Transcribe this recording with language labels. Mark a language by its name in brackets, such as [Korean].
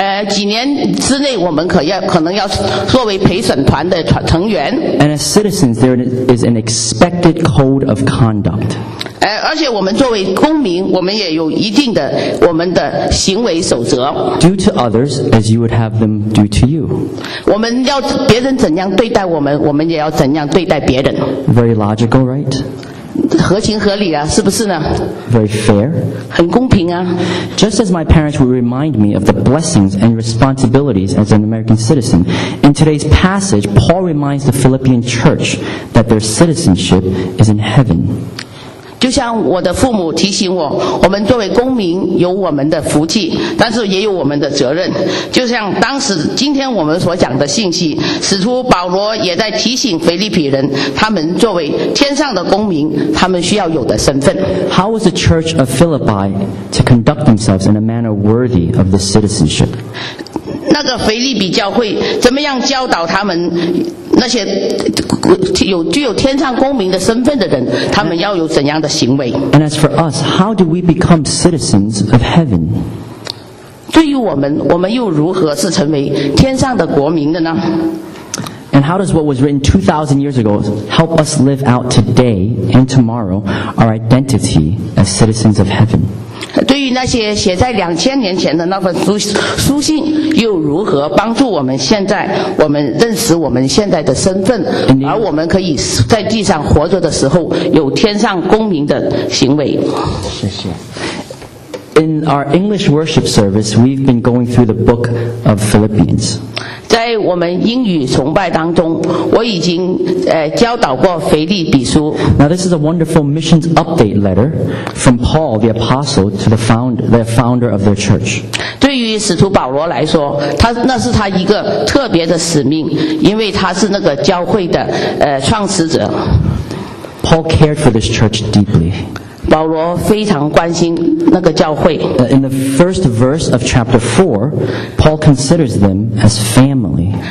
[Chinese] 几年之内，我们可能要作为陪审团的成员。 [English] And as citizens, there is an expected code of conduct. [Chinese] 而且我们作为公民，我们也有一定的我们的行为守则。 [English] Due to others, as you would have them do to you. [Chinese] 我们要别人怎样对待我们，我们也要怎样对待别人。 [English] Very logical, right? [Chinese] 合情合理啊，是不是呢？ [English] Very fair. [Chinese] 很公平啊。 [English] Just as my parents would remind me of the blessings and responsibilities as an American citizen, in today's passage, Paul reminds the Philippian church that their citizenship is in heaven. [Chinese] 就像我的父母提醒我，我们作为公民有我们的福气，但是也有我们的责任。就像当时今天我们所讲的信息，使徒保罗也在提醒腓立比人，他们作为天上的公民，他们需要有的身份。 [English] How was the church of Philippi to conduct themselves in a manner worthy of the citizenship? [Chinese] 那个腓立比教会怎么样教导他们那些有具有天上公民的身份的人，他们要有怎样的行为 [English] ？And as for us, how do we become citizens of heaven? [Chinese] 对于我们，我们又如何是成为天上的国民的呢？ [English] And how does what was written 2,000 years ago help us live out today and tomorrow our identity as citizens of heaven? [Chinese] 对于那些写在2000年前的那份书信，又如何帮助我们现在，我们认识我们现在的身份，而我们可以在地上活着的时候，有天上公民的行为？谢谢。 [English] In our English worship service, we've been going through the book of Philippians. [Chinese] 在我们英语崇拜当中，我已经教导过腓立比书。 [English] Now this is a wonderful missions update letter from Paul the apostle to the founder of their church. [Chinese] 对于使徒保罗来说，那是他一个特别的使命，因为他是那个教会的创始者。 [English] Paul cared for this church deeply. [Chinese] 保罗非常关心那个教会。 [English] In the first verse of chapter 4, Paul considers them as family.